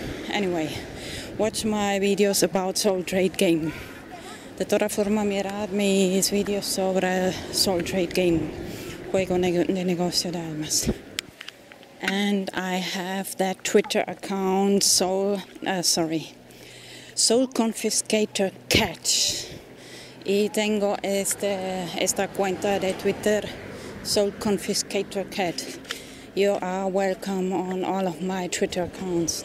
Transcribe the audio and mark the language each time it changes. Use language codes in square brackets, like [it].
[en] Anyway, watch my videos about Soul Trade Game. [es] De toda forma, mirad mis videos sobre Soul Trade Game, juego de negocio de almas. [en] And I have that Twitter account Soul Confiscator Cat. [es] Y tengo esta cuenta de Twitter Soul Confiscator Cat. [en] You are welcome on all of my Twitter accounts.